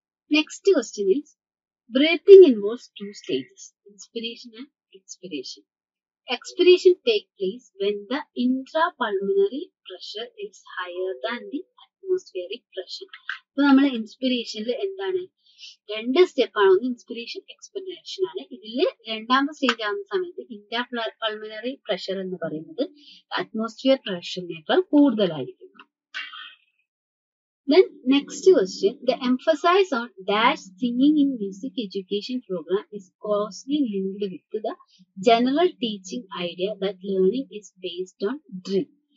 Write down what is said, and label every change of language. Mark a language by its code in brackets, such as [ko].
[en] Next question is breathing involves 2 stages inspiration and expiration. expiration take place when the intrapulmonary pressure is higher than the atmospheric pressure. [ml] ഇപ്പോൾ നമ്മൾ ഇൻസ്പിറേഷനിൽ എന്താണ് രണ്ട് step ആണ്, ഒന്ന് inspiration expiration ആണ്. ഇതിൽ രണ്ടാമത്തെ സ്റ്റേജ് ആവുന്ന സമയത്ത് ഇൻട്രാപൾമിനറി പ്രഷർ എന്ന് പറയുന്നത് അറ്റ്മോസ്ഫിയർ പ്രഷറിനേക്കാൾ കൂടുതലായിരിക്കും. [en] Then next question, the emphasis on dash singing in music education program is closely linked with the general teaching idea that learning is based on drill.